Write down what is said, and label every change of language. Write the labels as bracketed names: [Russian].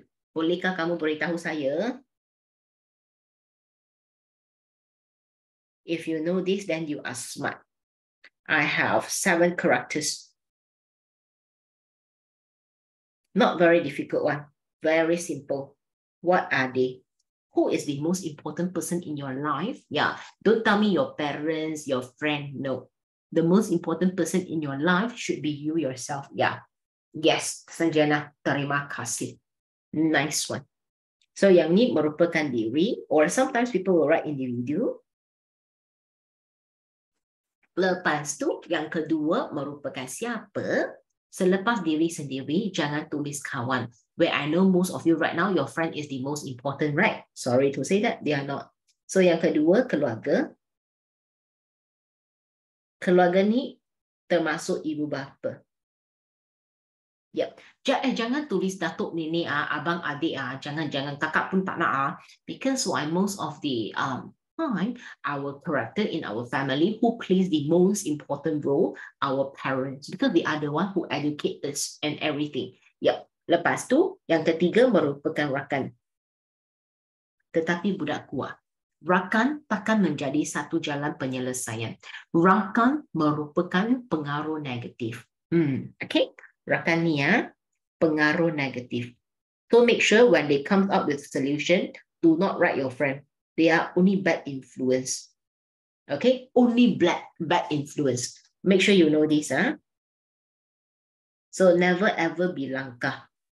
[Malay] Bolehkah kamu beritahu saya? [English] If you know this, then you are smart. I have 7 characters. Not very difficult one. Very simple. What are they? Who is the most important person in your life? Yeah, don't tell me your parents, your friend. No, the most important person in your life should be you yourself. Yeah, yes, Sanjana, [Malay] terima kasih. [English] Nice one. So [Malay] yang ni merupakan diri, [English] or sometimes people will write individual. [Malay] Lepas tu, yang kedua merupakan siapa? Selepas diri sendiri, jangan tulis kawan. [English] Where I know most of you right now, your friend is the most important, right? Sorry to say that, they are not. [Malay] So yang kedua, keluarga. Keluarga ni termasuk ibu bapa. Yep. Jangan tulis datuk nenek, abang adik, jangan-jangan kakak pun tak nak. [English] Because why most of the time, our character in our family, who plays the most important role? Our parents. Because they are the one who educate us and everything. Yep. [Malay] Lepas tu, yang ketiga merupakan rakan. Tetapi budak kuat, rakan takkan menjadi satu jalan penyelesaian. Rakan merupakan pengaruh negatif. Okay, rakan ni ya, pengaruh negatif. [English] So make sure when they come up with solution, do not write your friend. They are only bad influence. Okay, only bad influence. Make sure you know this. So never ever bilangkah.